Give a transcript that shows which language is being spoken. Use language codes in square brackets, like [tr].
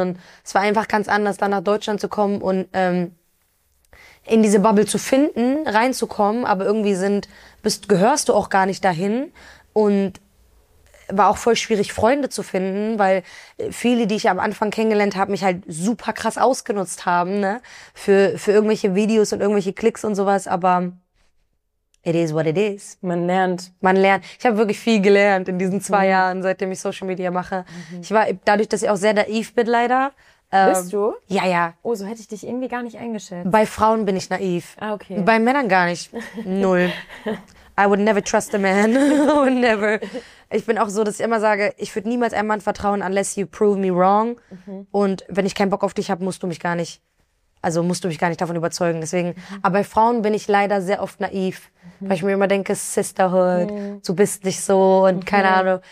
[de] Und es war einfach ganz anders, dann nach Deutschland zu kommen und in diese Bubble zu finden, reinzukommen, aber irgendwie gehörst du auch gar nicht dahin und war auch voll schwierig, Freunde zu finden, weil viele, die ich am Anfang kennengelernt habe, mich halt super krass ausgenutzt haben, ne, für irgendwelche Videos und irgendwelche Klicks und sowas, aber [en] it is what it is. [de] Man lernt. Ich habe wirklich viel gelernt in diesen 2 Jahren, seitdem ich Social Media mache. Mhm. Ich war dadurch, dass ich auch sehr naiv bin, leider. Bist du? Ja, ja. Oh, so hätte ich dich irgendwie gar nicht eingeschätzt. Bei Frauen bin ich naiv. Ah, okay. Bei Männern gar nicht. Null. [en] I would never trust a man. Would never. [de] Ich bin auch so, dass ich immer sage, ich würde niemals einem Mann vertrauen, [en] unless you prove me wrong. [de] Mhm. Und wenn ich keinen Bock auf dich habe, musst du mich gar nicht davon überzeugen. Deswegen. Mhm. Aber bei Frauen bin ich leider sehr oft naiv, weil ich mir immer denke, Sisterhood, du bist nicht so und keine Ahnung.